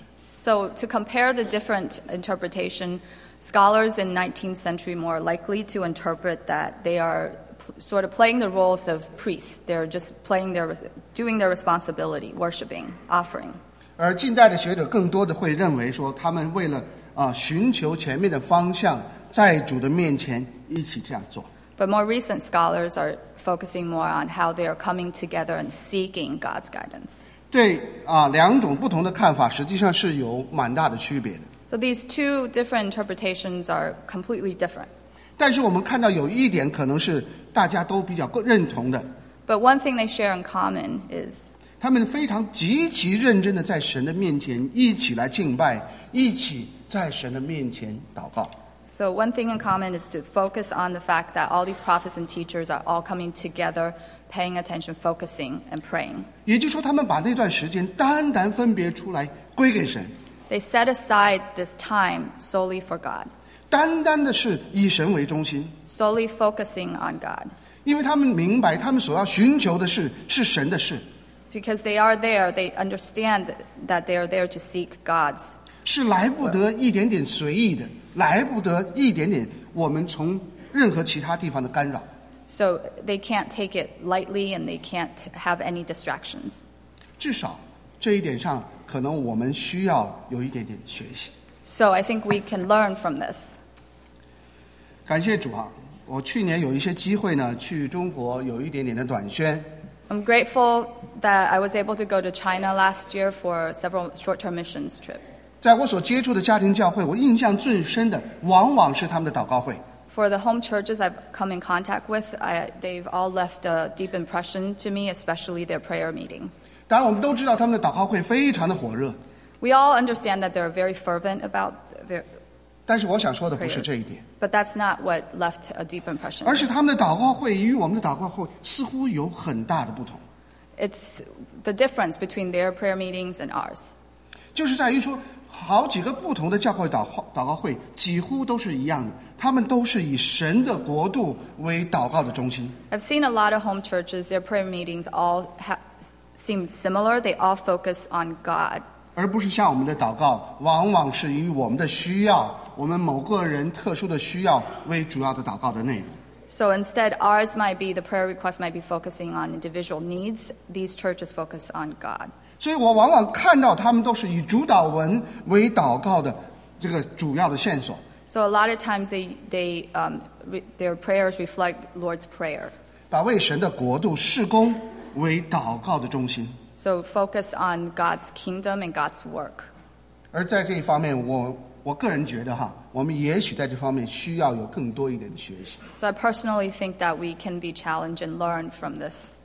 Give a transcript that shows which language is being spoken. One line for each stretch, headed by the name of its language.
English: So to compare the different interpretation, scholars in 19th century more likely to interpret that they are sort of playing the roles of priests. They're just doing their responsibility, worshiping, offering.
Chinese: 而近代的学者更多的会认为说，他们为了寻求前面的方向，在主的面前一起这样做。
English: But more recent scholars are focusing more on how they are coming together and seeking God's guidance.
Chinese: 对两种不同的看法实际上是有蛮大的区别的。
English: So these two different interpretations are completely different.
Chinese: 但是我们看到有一点可能是大家都比较认同的。
English: But one thing they share in common is
Chinese: 他们非常极其认真的在神的面前一起来敬拜，一起在神的面前祷告。
English: So one thing in common is to focus on the fact that all these prophets and teachers are all coming together, paying attention, focusing, and praying.
Chinese: 也就是说，他们把那段时间单单分别出来归给神。
English: They set aside this time solely for God.
Chinese: 单单的是以神为中心。
English: Solely focusing on God.
Chinese: 因为他们明白，他们所要寻求的是神的事。
English: Because they are there, they understand that they are there to seek God's.
Chinese: 是来不得一点点随意的。来不得一点点我们从任何其他地方的干扰。
English: So they can't take it lightly and they can't have any distractions.
Chinese: 至少这一点上可能我们需要有一点点学习。
English: So I think we can learn from this.
Chinese: 感谢主啊，我去年有一些机会呢去中国有一点点的短宣。
English: I'm grateful that I was able to go to China last year for several short-term missions trips.
Chinese: 在我所接触的家庭教会，我印象最深的往往是他们的祷告会。
English: For the home churches I've come in contact with, they've all left a deep impression to me, especially their prayer meetings.
Chinese: 当然，我们都知道他们的祷告会非常的火热。
English: We all understand that they're very fervent about their.
Chinese: 但是我想说的不是这一点。
English: But that's not what left a deep impression.
Chinese: 而是他们的祷告会与我们的祷告会似乎有很大的不同。
English: It's the difference between their prayer meetings and ours.
Chinese: 就是在于说，好几个不同的教会祷告会几乎都是一样的，他们都是以神的国度为祷告的中心。
English: I've seen a lot of home churches. Their prayer meetings all seem similar. They all focus on God.
Chinese: 而不是像我们的祷告，往往是以我们的需要，我们某个人特殊的需要为主要的祷告的内容。
English: So instead, ours might be the prayer request might be focusing on individual needs. These churches focus on God.
Chinese: 所以我往往看到他们都是以主导文为祷告的这个主要的线索。
English: So a lot of times their prayers reflect Lord's prayer.
Chinese: 把为神的国度事工为祷告的中心。
English: So focus on God's kingdom and God's work.
Chinese: 而在这一方面我个人觉得哈，我们也许在这方面需要有更多一点的学习。
English: So I personally think that we can be challenged and learn from this.